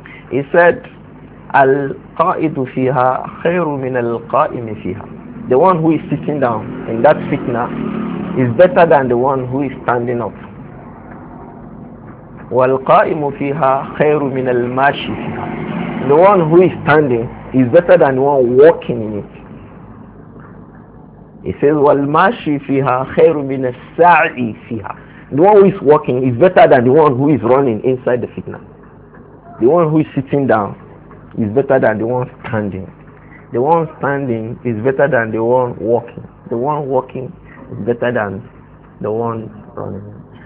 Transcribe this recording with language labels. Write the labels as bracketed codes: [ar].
[en] He said, [ar] al-qa'idu fiha khayru min al-qa'imi fiha. [en] The one who is sitting down in that fitna is better than the one who is standing up. [ar] وَالْقَائِمُ فِيهَا خَيْرُ مِنَ الْمَاشِ فِيهَا. [en] The one who is standing is better than the one walking in it. He says, [ar] وَالْمَاشِ فِيهَا خَيْرُ مِنَ السَّعِي فِيهَا. [en] The one who is walking is better than the one who is running inside the fitna. The one who is sitting down is better than the one standing. The one standing is better than the one walking. The one walking is better than the one running.